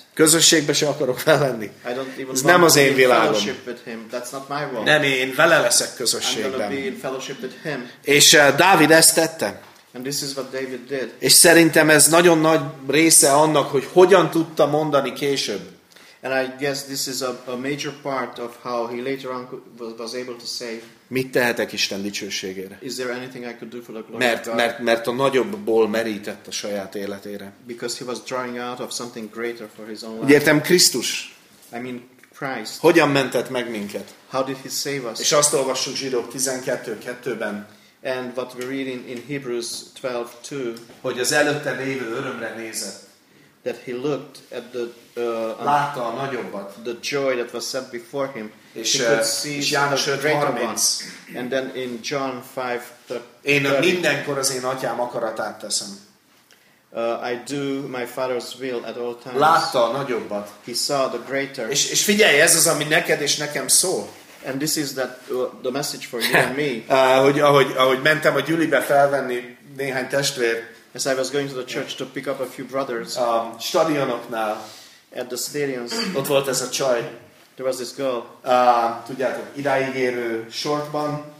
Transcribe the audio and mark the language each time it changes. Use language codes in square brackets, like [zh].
[hu] Közösségbe se akarok felenni. [en] I don't even [hu] ez nem az én világom. [en] Fellowship with him. That's not my world. [hu] Nem, én vele leszek közösségben. [en] I'm gonna be in fellowship with him. [hu] És Dávid ezt tette. [en] And this is what David did. [hu] És szerintem ez nagyon nagy része annak, hogy hogyan tudta mondani később. [en] And I guess this is a major part of how he later on was able to say. [hu] Mit tehetek Isten dicsőségére? [en] Is there anything I could do for the glory [hu] mert a nagyobbból merített a saját életére. [en] Because he was drawing out of something greater for his own life. [hu] Úgy értem Krisztus. [en] I mean Christ. [hu] Hogyan mentett meg minket? [en] How did he save us? [hu] És azt olvassuk Zsidók 12:2-ben. [en] And what we read in Hebrews 12:2, [hu] hogy az előtte lévő örömre nézett, [en] that he looked at the [hu] látta a nagyobbat, [en] the joy that was set before him, [hu] és [en] he could see [hu] János 5:30, [en] and then in John 5:30, [hu] én mindenkor az én atyám akaratát teszem, [en] I do my father's will at all times, [hu] látta a nagyobbat, [en] he saw the greater, [hu] és figyelj, ez az, ami neked és nekem szól. [en] And this is that the message for you and me. [hu] Ahogy mentem a gyülibe felvenni néhány testvér. [en] As I was going to the church to pick up a few brothers. [hu] Stadionoknál. [en] At the stadiums. [hu] Ott volt ez a csaj. [en] There was this girl. [hu] Tudjátok, idáig érő shortban.